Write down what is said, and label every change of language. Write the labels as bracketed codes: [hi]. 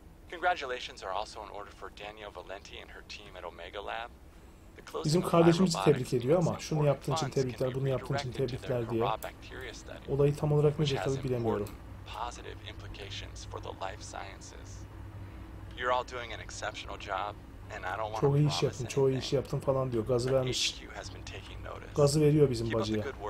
[en] Congratulations are also in order for Daniel Valenti and her team at Omega Lab. [tr] Bizim kardeşimizi tebrik ediyor ama şunu yaptığın için tebrikler, bunu yaptığın için tebrikler diye. Olayı tam olarak ne tabii bilemiyorum. [en] Positive implications for the life sciences. You're all doing an exceptional job and I don't want to. [tr] Çok iyi yaptın, çok iyi yaptın falan diyor. Gazı vermiş. Gazı veriyor bizim bacıya.